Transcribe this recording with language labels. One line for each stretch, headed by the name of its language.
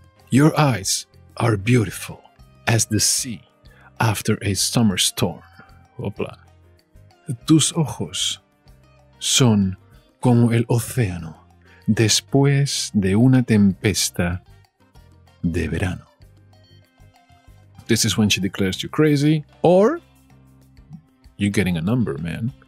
English: Your eyes are beautiful as the sea after a summer storm. Hopla.
Spanish: Tus ojos son como el océano después de una tempesta de verano.
English: This is when she declares you crazy, or you're getting a number, man.